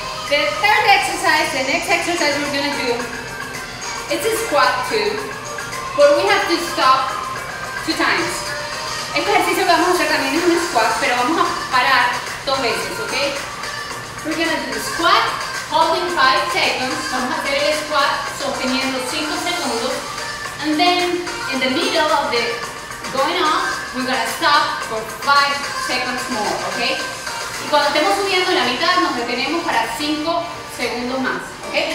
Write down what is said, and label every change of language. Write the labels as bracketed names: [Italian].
[English] The third exercise, the next exercise we're gonna do, it's a squat too, but we have to stop two times. [Spanish] Este ejercicio que vamos a hacer también es un squat, pero vamos a parar dos veces, okay? [English] We're gonna do the squat, holding 5 seconds. [Spanish] Vamos a hacer el squat sosteniendo 5 segundos. [English] And then, in the middle of the going off, we're gonna stop for 5 seconds more, okay? [Spanish] Y cuando estemos subiendo la mitad, nos detenemos para 5 segundos más, okay?